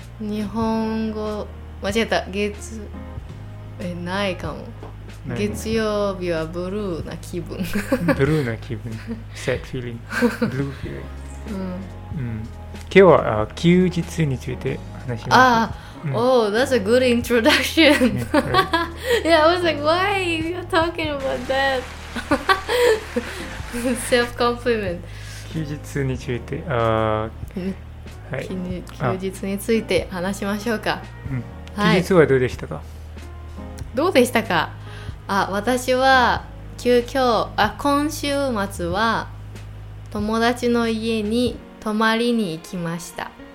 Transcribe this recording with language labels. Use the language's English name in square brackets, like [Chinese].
[Japanese] 日本語間違えた。月え、ないかも。月曜日はブルーな気分。ブルーな気分。 [English] Sad feeling. Blue feeling. [Japanese] 今日は休日について話します。 [English] Oh, that's a good introduction. Yeah, I was like, why are you talking about that? Self compliment. [Japanese] 休日について休日について話しましょうか。休日はどうでしたか。どうでしたか。私は今週末は友達の家に泊まりに行きました。